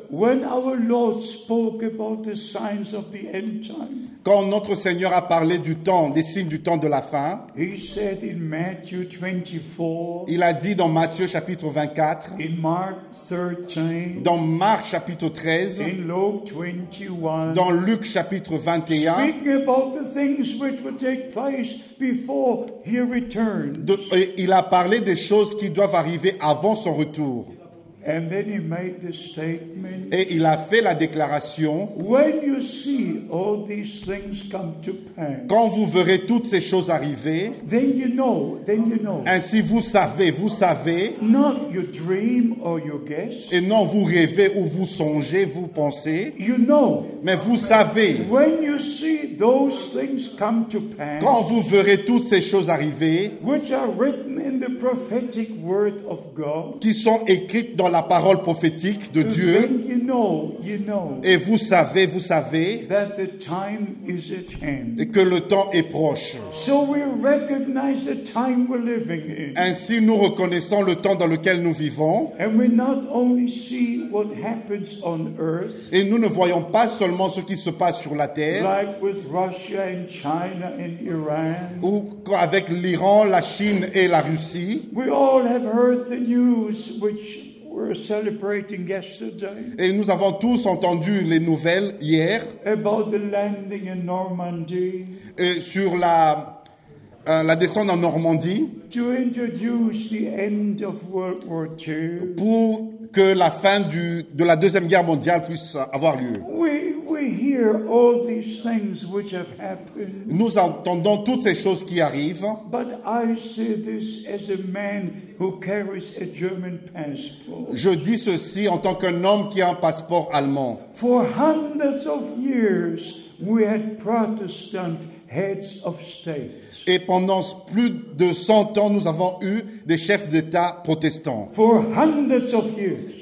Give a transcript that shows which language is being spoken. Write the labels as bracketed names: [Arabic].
[English] when our Lord spoke about the signs of the end time, [French] quand notre Seigneur a parlé du temps, des signes du temps de la fin, [English] he said in Matthew 24, [French] il a dit dans Matthieu chapitre 24, [English] in Mark 13, [French] dans Marc chapitre 13, [English] in Luke 21, [French] dans Luc chapitre 21, [English] speaking about the things which will take place before he returns. [French] Il a parlé des choses qui doivent arriver avant son retour. [English] And then he made the statement, [French] et il a fait la déclaration, [English] when you see all these things come to pass, [French] quand vous verrez toutes ces choses arriver, [English] then you know. [French] Ainsi vous savez, [English] not your dream or your guess, [French] et non vous rêvez ou vous songez, vous pensez, [English] you know, [French] mais vous savez, [English] when you see those things come to pass, [French] quand vous verrez toutes ces choses arriver, [English] which are written in the prophetic word of God, [French] qui sont écrites dans la parole prophétique de Dieu. [English] You know, [French] et vous savez [English] that the time is at hand. [French] Et que le temps est proche. [English] So we recognize the time we're living in. [French] Ainsi nous reconnaissons le temps dans lequel nous vivons. [English] And we not only see what happens on earth, [French] et nous ne voyons pas seulement ce qui se passe sur la terre, [English] like with Russia and China and Iran, [French] ou avec l'Iran, la Chine et la Russie. [English] We all have heard the news which we're celebrating yesterday. [French] Et nous avons tous entendu les nouvelles hier. [English] About the landing in Normandy. [French] Et sur la descente en Normandie. [English] To introduce the end of World War II. [French] Pour que la fin de la Deuxième Guerre mondiale puisse avoir lieu. [English] We we hear all these things which have happened. [French] Nous entendons toutes ces choses qui arrivent. [English] But I say this as a man who carries a German passport. [French] Je dis ceci en tant qu'un homme qui a un passeport allemand. [English] For hundreds of years, we had Protestant heads of state. [French] Et pendant plus de 100 ans, nous avons eu des chefs d'État protestants. [English] For hundreds of years.